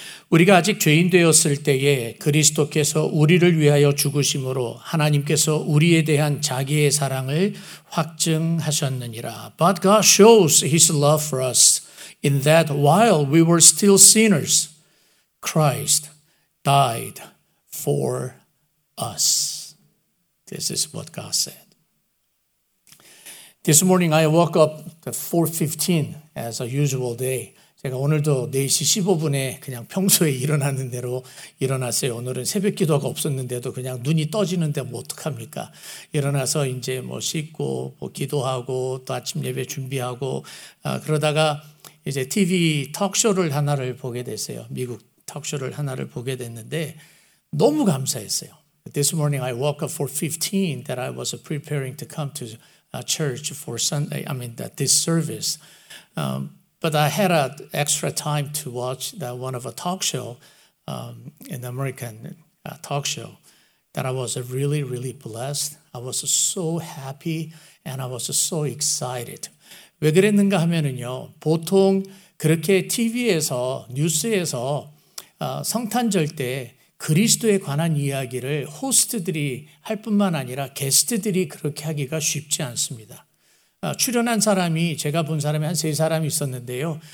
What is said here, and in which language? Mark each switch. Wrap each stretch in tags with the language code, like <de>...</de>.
<ko>우리가 아직 죄인 되었을 때에 그리스도께서 우리를 위하여 죽으심으로 하나님께서 우리에 대한 자기의 사랑을 확증하셨느니라.</ko> <en>But God shows his love for us in that while we were still sinners, Christ died for us. This is what God said. This morning I woke up at 4:15 as a usual day.</en> <ko>제가 오늘도 4시 15분에 그냥 평소에 일어나는 대로 일어났어요. 오늘은 새벽 기도가 없었는데도 그냥 눈이 떠지는데 뭐 어떡합니까? 일어나서 이제 뭐 씻고 뭐 기도하고 또 아침 예배 준비하고 그러다가 이제 TV 턱쇼를 하나를 보게 됐어요. 미국 턱쇼를 하나를 보게 됐는데 너무 감사했어요.</ko> <en>This morning I woke up 4:15 that I was preparing to come to a church for Sunday, I mean that this service. But I had an extra time to watch that one of a talk show, an American talk show, that I was really, really blessed. I was so happy and I was so excited.</en> <ko>왜 그랬는가 하면은요, 보통 그렇게 TV에서, 뉴스에서 성탄절 때 그리스도에 관한 이야기를 호스트들이 할 뿐만 아니라 게스트들이 그렇게 하기가 쉽지 않습니다. 출연한 사람이 제가 본 사람이 한 세 사람이 있었는데요.</ko>